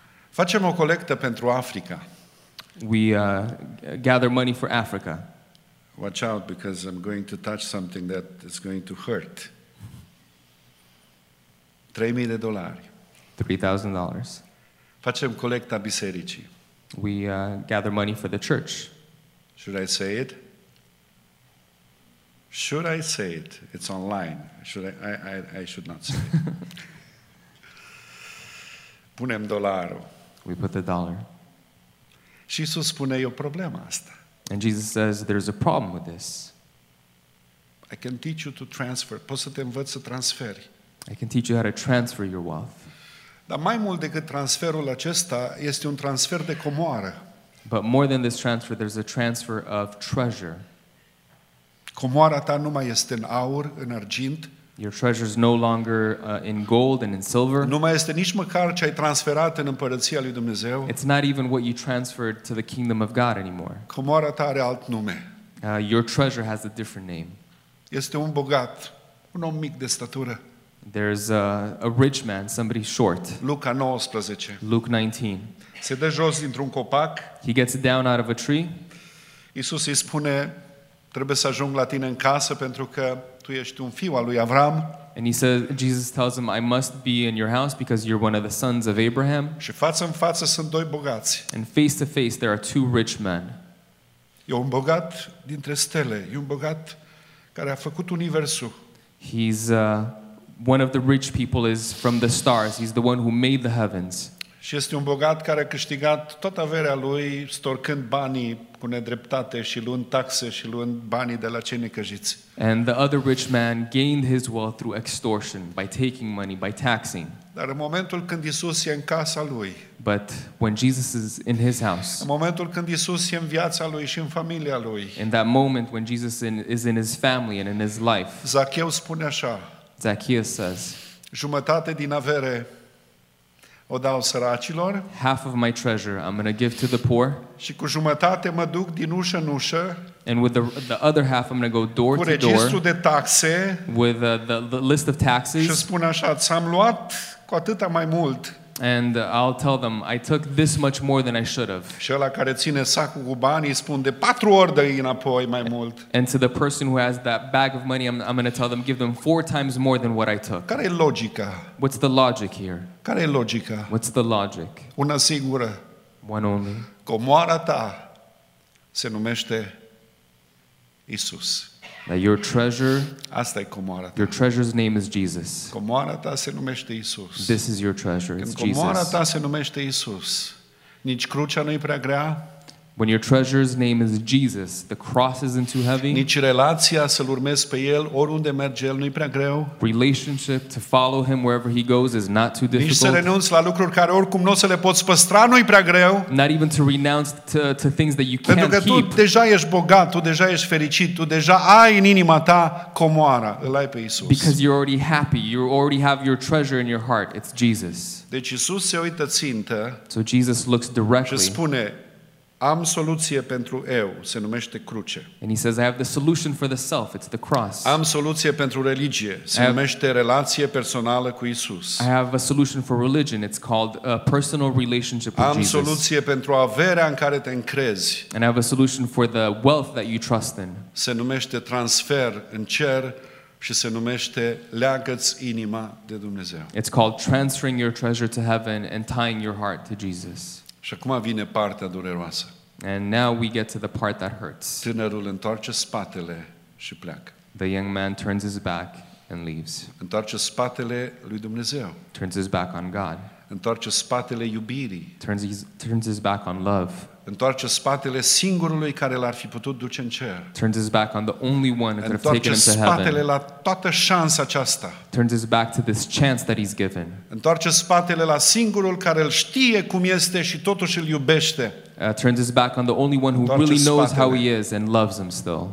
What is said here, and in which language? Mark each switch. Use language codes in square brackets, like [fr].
[ro] Facem o colectă pentru Africa. [en] We gather money for Africa. Watch out, because I'm going to touch something that is going to hurt. $3,000. $3,000. [ro] Facem colecta bisericii. [en] We gather money for the church. Should I say it? Should I say it? It's online. Should I should not say it. [ro] Punem dolarul. [en] We put the dollar. [ro] Și Iisus spune, e o problemă asta. [en] And Jesus says, there's a problem with this. I can teach you to transfer. [ro] Poți să te învăț să transferi. [en] I can teach you how to transfer your wealth. [ro] Dar mai mult decât transferul acesta, este un transfer de comoară. [en] But more than this transfer, there's a transfer of treasure. [ro] Comoara ta nu mai este în aur, în argint. [en] Your treasure is no longer in gold and in silver. [ro] Nu mai este nici măcar ce ai transferat în împărăția lui Dumnezeu. [en] It's not even what you transferred to the kingdom of God anymore. [ro] Comoara ta are alt nume. [en] Your treasure has a different name. [ro] Este un bogat, un om mic de statură. [en] There's a rich man, somebody short. [ro] Luca 19. [en] Luke 19. [ro] Se dă jos dintr-un copac. [en] He gets down out of a tree. [ro] Iisus îi spune, trebuie să ajung la tine în casă pentru că tu ești un fiu al lui Avram. [en] And he says, Jesus tells him, I must be in your house because you're one of the sons of Abraham. [ro] Și față în față sunt doi bogați. [en] And face to face there are two rich men. [ro] E un bogat dintre stele, e un bogat care a făcut universul. [en] He's one of the rich people is from the stars. He's the one who made the heavens. [ro] Și este un bogat care a câștigat toată averea lui storcând banii cu nedreptate și luând taxe și luând banii de la cei necăjiți. [en] And the other rich man gained his wealth through extortion, by taking money, by taxing. [ro] Dar în momentul când Iisus e în casa lui, [en] but when Jesus is in his house, [ro] în momentul când Iisus e în viața lui și în familia lui, [en] in that moment when Jesus is in his family and in his life, [ro] Zacheu spune așa, [en] Zacchaeus says, [ro] jumătate din avere o dau săracilor. [en] Half of my treasure I'm going to give to the poor. [ro] Și cu jumătate mă duc din ușă în ușă. [en] And with the other half I'm going to go door to door. [ro] Cu registru de taxe. [en] With the list of taxes. [ro] Și spun așa, ți-am luat cu atâta mai mult. [en] And I'll tell them, I took this much more than I should have. [ro] Și ăla care ține sacul cu banii spune, de patru ori dă-i înapoi mai mult. [en] And to the person who has that bag of money, I'm going to tell them, give them four times more than what I took. [ro] Care e logica? [en] What's the logic here? [ro] Care e logica? [en] What's the logic? [ro] Una singură. [en] One only. [ro] Comoara ta se numește Isus. [en] That your treasure, [ro] asta e comoara ta. [en] Your treasure's name is Jesus. [ro] Comoara ta se numește Iisus. [en] This is your treasure, [ro] când [en] it's Jesus. [ro] Comoara ta se numește Iisus, nici crucea nu-i prea grea. [en] When your treasure's name is Jesus, the cross isn't too heavy. [ro] Nici relația să-l urmezi pe el oriunde merge el nu-i prea greu. [en] Relationship to follow him wherever he goes is not too difficult. [ro] Nici să renunți la lucruri care oricum nu o să le poți păstra nu-i prea greu. [en] Not even to renounce to things that you can't keep. [ro] Pentru că tu deja ești bogat, tu deja ești fericit, tu deja ai în inima ta comoara, îl ai pe Iisus. [en] Because you're already happy, you already have your treasure in your heart. It's Jesus. [ro] Deci Iisus se uită țintă. [en] So Jesus looks directly. [ro] Și spune: am soluție pentru eu, se numește cruce. [en] And he says, I have the solution for the self, it's the cross. [ro] Am soluție pentru religie, se numește relație personală cu Isus. [en] I have a solution for religion, it's called a personal relationship with Jesus. [ro] Am soluție pentru averea în care te încrezi. [en] And I have a solution for the wealth that you trust in. [ro] Se numește transfer în cer și se numește leagă-ți inima de Dumnezeu. [en] It's called transferring your treasure to heaven and tying your heart to Jesus. [ro] Și acum vine partea dureroasă. [en] And now we get to the part that hurts. [ro] Tânărul întoarce spatele și pleacă. [en] The young man turns his back and leaves. [ro] Întoarce spatele lui Dumnezeu. [en] Turns his back on God. [ro] Întoarce spatele iubirii. [en] Turns his back on love. [ro] Întoarce spatele singurului care l-ar fi putut duce în cer. [en] Turns his back on the only one that could have taken him to heaven. [ro] Întoarce spatele la toată șansa aceasta. [en] Turns his back to this chance that he's given. [ro] Întoarce spatele la singurul care îl știe cum este și totuși îl iubește. [en] Turns his back on the only one who really knows how he is and loves him still.